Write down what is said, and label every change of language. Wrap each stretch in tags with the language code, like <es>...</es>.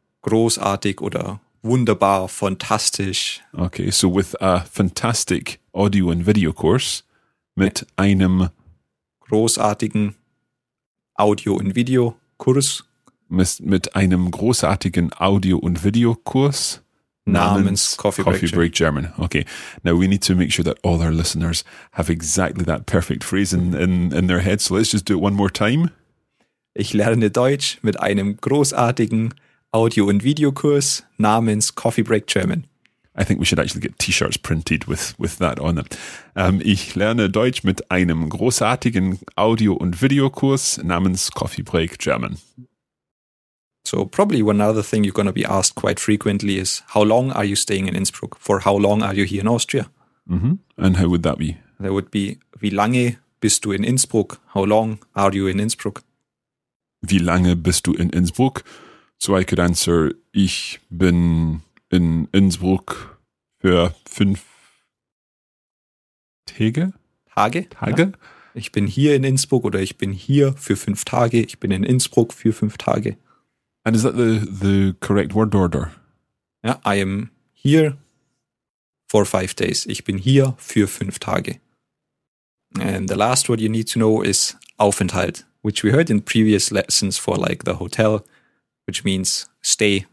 <de>Großartig oder wunderbar, fantastisch.</de> <en>Okay, so with a fantastic audio and video course</en> <de>mit einem großartigen Audio- und Videokurs. Mit einem großartigen Audio- und Videokurs namens Coffee Break German.</de> <en>Okay, now we need to make sure that all our listeners have exactly that perfect phrase in their head. So let's just do it one more time.</en> <de>Ich lerne Deutsch mit einem großartigen Audio- und Videokurs namens Coffee Break German.</de> <en>I think we should actually get T-shirts printed with that on them.</en> <de>Ich lerne Deutsch mit einem großartigen Audio- und Videokurs namens Coffee Break German.</de> <en>So probably one other thing you're going to be asked quite frequently is, how long are you staying in Innsbruck? For how long are you here in Austria? And how would that be? That would be,</en> <de>wie lange bist du in Innsbruck?</de> <en>How long are you in Innsbruck?</en> <de>wie lange bist du in Innsbruck?</de> <en>So I could answer,</en> <de>ich bin in Innsbruck für 5 Tage? Tage? Ja. Ich bin hier in Innsbruck oder ich bin hier für 5 Tage. Ich bin in Innsbruck für 5 Tage.</de> <en>And is that the correct word order?</en> <de>Ja,</de> <en>I am here for 5 days.</en> <de>Ich bin hier für 5 Tage.</de> <en>And the last word you need to know is Aufenthalt, which we heard in previous lessons for like the hotel, which means stay.</en>